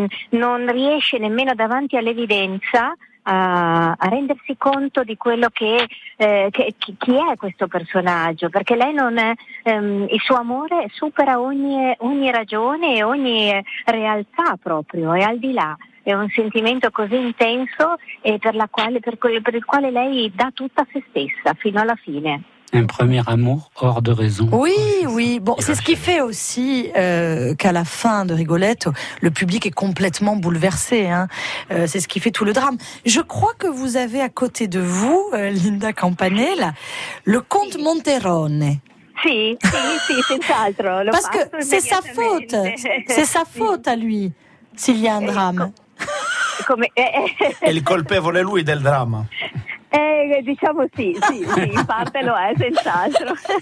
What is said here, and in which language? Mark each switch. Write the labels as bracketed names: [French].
[Italian] non riesce nemmeno davanti all'evidenza a rendersi conto di quello chi è questo personaggio, perché lei non è, il suo amore supera ogni ragione e ogni realtà, proprio è al di là, è un sentimento così intenso e per il quale lei dà tutta se stessa fino alla fine. [French] Un premier amour hors de raison. Oui. Bon, c'est ce qui fait aussi qu'à la fin de Rigoletto, le public est complètement bouleversé. C'est ce qui fait tout le drame. Je crois que vous avez à côté de vous, Linda Campanella, le comte Monterone. [Italian] Si, senz'altro. [French] Parce que c'est sa faute. C'est sa faute à lui, s'il y a un drame. [Italian] Il colpevole lui del dramma. Diciamo sì, in parte lo è, senz'altro.